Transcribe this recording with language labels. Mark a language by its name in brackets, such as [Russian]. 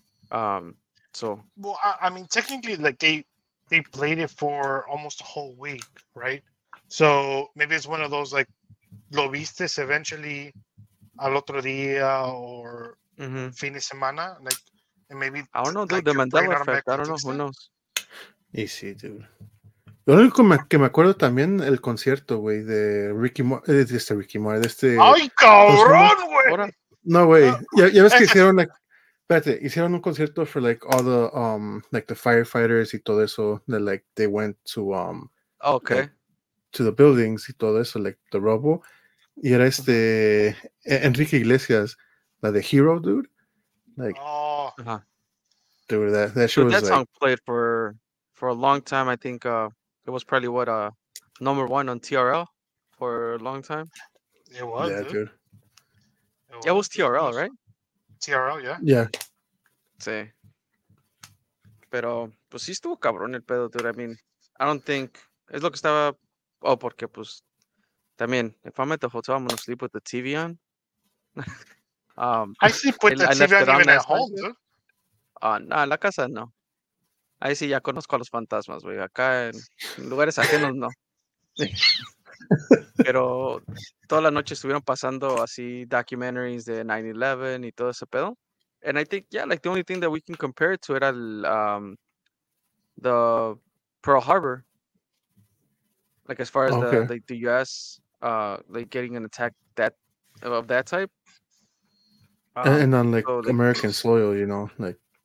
[English] I mean, technically, like, they played it for almost a whole week, right? So maybe it's one of those, like, [Spanish] lo vistes [English] eventually [Spanish] al otro día [English] or [Spanish] fin de semana, [English] like, and maybe I don't know, dude, like, the Mandela effect. I don't know, who knows? Easy, dude. [Spanish] Lo único que me acuerdo también el concierto, güey, de Ricky Moore, de este Ricky Moore, de este... ¡Ay, cabrón, güey! No, güey, ya ves que hicieron, like, espérate, hicieron un concierto for, like, [English] all the, like, the firefighters [Spanish] y todo eso, de, like, [English] they went to, okay, like, to the buildings [Spanish] y todo eso, [English] like, the rubble, [Spanish] y era este, [English] Enrique Iglesias, la de Hero, dude, like, oh, dude, that show, dude, was, that, like, song played for a long time, I think, it was probably, what, number one on TRL for a long time? It was, yeah, dude. Yeah, it was TRL, right? TRL, yeah. Yeah. [Spanish] Sí. Pero, pues sí estuvo cabrón el pedo, dude. [English] I mean, I don't think... [Spanish] Es lo que estaba... Oh, porque, pues... [English] También, if I'm at the hotel, I'm going to sleep with the TV on. I sleep with the TV on even at home, dude. [Spanish] No, en la casa, no. Ahí sí, ya conozco a los fantasmas, güey. Acá en lugares ajenos, no. Pero toda la noche estuvieron pasando así documentaries de 9/11 y todo ese pedo. [English] And I think, yeah, like, the only thing that we can compare it to era the Pearl Harbor. Like, as far as the U.S., like, getting an attack of that type. And on, like, so, like, American soil, you know, like.